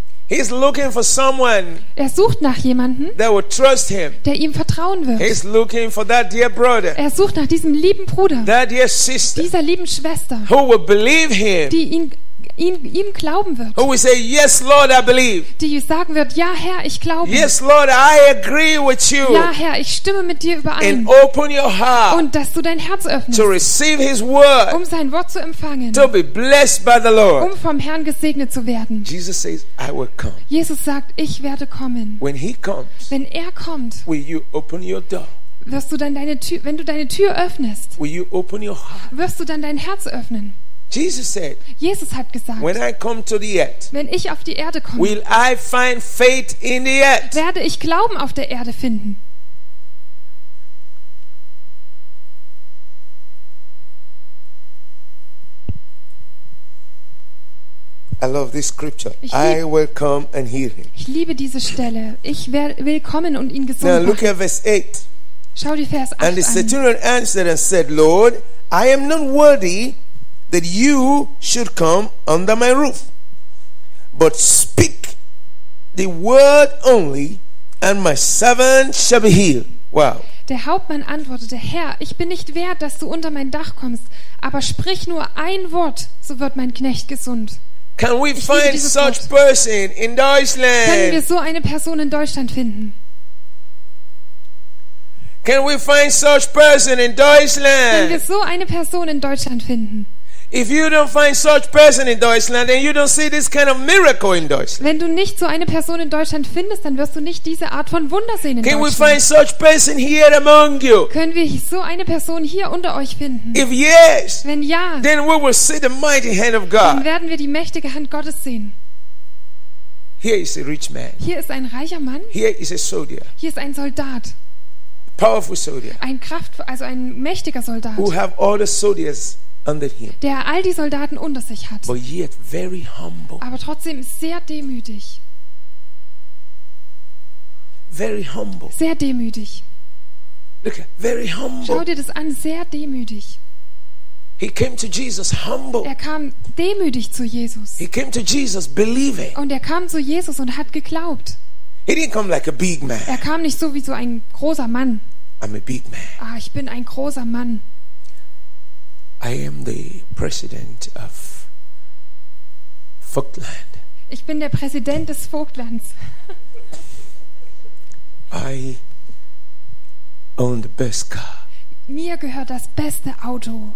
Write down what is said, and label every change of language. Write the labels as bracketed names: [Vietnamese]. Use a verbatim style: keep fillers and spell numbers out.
[English] He's looking for someone [German] Er sucht nach jemanden, [English] that would trust him. [German] der ihm vertrauen wird. [English] He's looking for that dear brother, [German] Er sucht nach diesem lieben Bruder, [English] that dear sister, [German] dieser lieben Schwester, [English] who will believe him [German] die ihn ihn, ihm glauben wird. [English] Who will say, "Yes, Lord, I believe." [German] Die, die sagen wird, "Ja, Herr, ich glaube." [English] "Yes, Lord, I agree with you." [German] "Ja, Herr, ich stimme mit dir überein." [English] And open your heart [German] Und dass du dein Herz öffnest. [English] to receive his word. [German] Um sein Wort zu empfangen. [English] To be blessed by the Lord. [German] Um vom Herrn gesegnet zu werden. [English] Jesus says, "I will come." [German] Jesus sagt, "Ich werde kommen." [English] When he comes, [German] Wenn er kommt, [English] will you open your door? [German] wirst du dann deine Tür, wenn du deine Tür öffnest, [English] Will you open your heart? [German] wirst du dann dein Herz öffnen? [English] Jesus said, [German] Jesus hat gesagt, [English] "When I come to the earth, [German] wenn ich auf die Erde komme, [English] will I find faith in the earth?" [German] werde ich Glauben auf der Erde finden. [English] I love this scripture. [German] Ich [English] I [German] lieb- [English] will come and heal him. [German] Ich liebe diese Stelle. Ich wer-, will kommen und ihn gesund [English] Now look [German] machen. [English] at verse eight. [German] Schau die Vers [English] And the [German] acht an. [English] centurion answered and said, "Lord, I am not worthy that you should come under my roof. But speak the word only, and my servant shall be healed. Wow. [German] Der Hauptmann antwortete, Herr, ich bin nicht wert, dass du unter mein Dach kommst, aber sprich nur ein Wort, so wird mein Knecht gesund. [English] Can we [German] Ich liebe [English] find [German] dieses [English] such [German] Wort. [English] person in Deutschland? [German] Können wir so eine Person in Deutschland finden? [English] Can we find such person in Deutschland? [German] Können wir so eine Person in Deutschland finden? [English] If you don't find such person in Deutschland, then you don't see this kind of miracle in Deutschland. [German] Wenn du nicht so eine Person in Deutschland findest, dann wirst du nicht diese Art von Wunder sehen in [English] Can we [German] Deutschland. [English] find such person here among you? [German] Können wir so eine Person hier unter euch finden? [English] If yes, [German] Wenn ja, [English] then we will see the mighty hand of God. [German] dann werden wir die mächtige Hand Gottes sehen. [English] Here is a rich man. [German] Hier ist ein reicher Mann. [English] Here is a soldier. [German] Hier ist ein Soldat. [English] Powerful soldier. [German] Ein kraftvo-, also ein mächtiger Soldat. [English] Who have all the soldiers under him. [German] der all die Soldaten unter sich hat, [English] But yet very humble. [German] aber trotzdem sehr demütig. [English] Very humble. [German] Sehr demütig. [English] Look at, very humble. [German] Schau dir das an, sehr demütig. [English] He came to Jesus humble. [German] Er kam demütig zu Jesus. [English] He came to Jesus believing. [German] Und er kam zu Jesus und hat geglaubt. [English] He didn't come like a big man. [German] Er kam nicht so wie so ein großer Mann. [English] I'm a big man. [German] Ah, ich bin ein großer Mann. [English] I am the president of Falkland. [German] Ich bin der Präsident des Vogtlands. [English] I own the best car. [German] Mir gehört das beste Auto.